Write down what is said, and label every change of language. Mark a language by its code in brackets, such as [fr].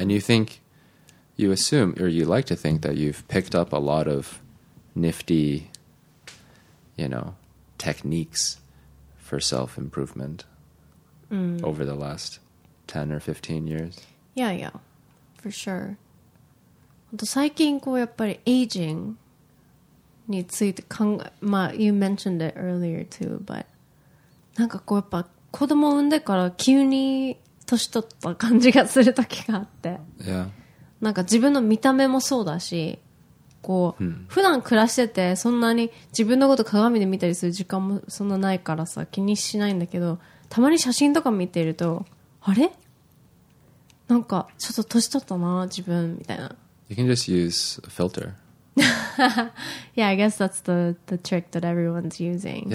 [en] And you like to think that you've picked up a lot of nifty, you know, techniques for self-improvement over the last 10 or 15 years. Yeah, for sure. [ja] 最近こうやっぱりエイジングについて考え、まあ [en] you mentioned it earlier too, but [ja] なんかこうやっぱ子供を産んでから急に年取った感じがする時があって、なんか自分の見た目もそうだし、こう普段暮らしててそんなに自分のこと鏡で見たりする時間もそんなないからさ気にしないんだけど、たまに写真とか見てるとあれ？なんかちょっと年取ったな自分みたいな。 [en] You can just use a filter. Yeah, I guess that's the trick that everyone's using.